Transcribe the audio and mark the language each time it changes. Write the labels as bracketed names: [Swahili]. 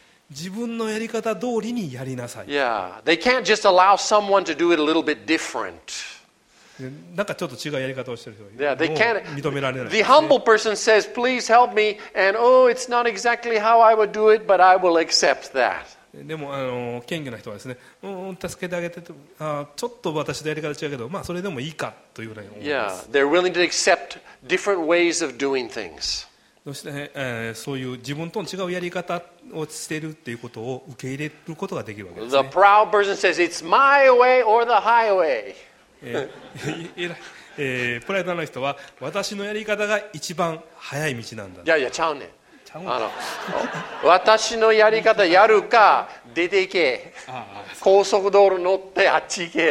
[Japanese] 自分のやり方通りにやりなさい。 [English] Yeah, they can't just allow someone to do it a little bit different. [Japanese] なんかちょっと違うやり方をしている人 [English] は、yeah, they can't, [Japanese] もう認められない、ね、 [English] The humble person says, please help me and oh, it's not exactly how I would do it but I will accept that. [Japanese] でも謙虚な人はですね、助けてあげて、あ、ちょっと私のやり方違うけど、まあ、それでもいいかというふうに思います。 [English] Yeah, they're willing to accept different ways of doing things. [Japanese] そして、そういう自分との違うやり方をしているということを受け入れることができるわけですね。 [English] The proud person says, it's my way or the highway. [Japanese] プライドの人は私のやり方が一番早い道なんだ。いやいや、ちゃうねん。ちゃうね。私のやり方やるか出ていけ。高速道路乗ってあっち行け。